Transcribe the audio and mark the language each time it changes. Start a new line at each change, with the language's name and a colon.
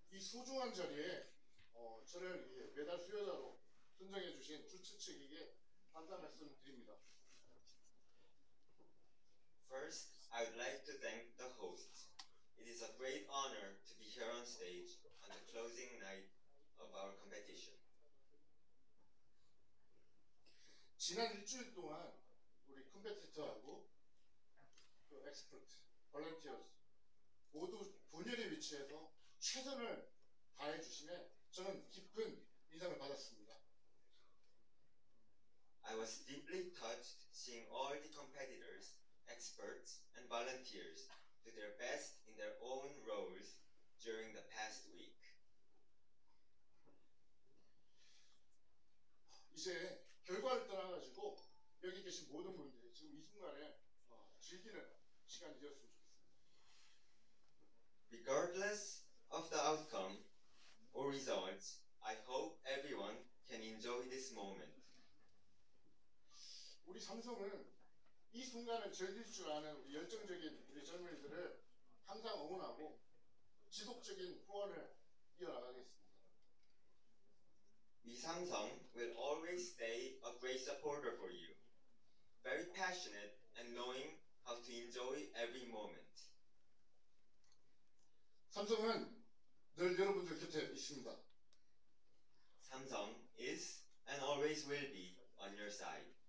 Korean: 이 소중한 자리에 저를 위해 메달 수여자로 선정해 주신 주최 측에게 감사 말씀 드립니다.
English: First, I would like to thank the hosts. It is a great honor to be here on stage on the closing night of our competition.
Korean: 지난 일주일 동안 우리 컴페티터하고 그 엑스퍼트, 발렌티어스 모두 분열의 위치에서 최선을 다해 주시면 저는 깊은 인상을 받았습니다.
English: I was deeply touched seeing all the competitors, experts, and volunteers do their best in their own roles during the past week.
Korean: 이제 결과를 떠나가지고 여기 계신 모든 분들 지금 이 순간에 즐기는 시간 되었으면 좋겠습니다.
English: Regardless of the outcome or results, I hope everyone can enjoy this moment.
Korean: 우리 삼성은 이 순간을 즐길 줄 아는 우리 열정적인 우리 젊은이들을 항상 응원하고 지속적인 후원을 이어나가겠습니다.
English: We Samsung will always stay a great supporter for you. Very passionate and knowing how to enjoy every moment.
Korean: 삼성은 늘 여러분들 곁에 있습니다.
English: Samsung is and always will be on your side.